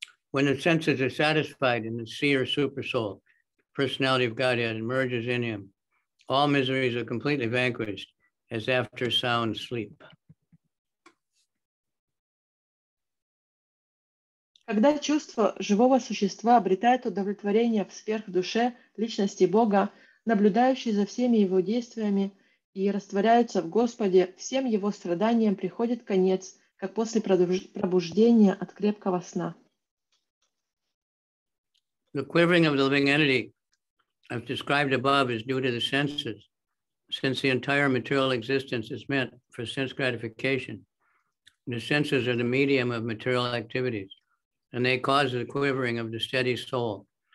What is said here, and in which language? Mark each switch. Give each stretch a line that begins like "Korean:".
English: When the senses are satisfied in the seer supersoul, personality of Godhead emerges in him, all miseries are completely vanquished as after sound sleep.
Russian: Когда чувство живого существа обретает удовлетворение в сверхдуше личности Бога, наблюдающей за всеми его действиями и растворяются в Господе, всем его страданиям приходит конец, как после пробуждения от крепкого сна.
English: The quivering of the living entity, as described above, is due to the senses, since the entire material existence is meant for sense gratification. The senses are the medium of material activities, and they cause the quivering of the steady soul.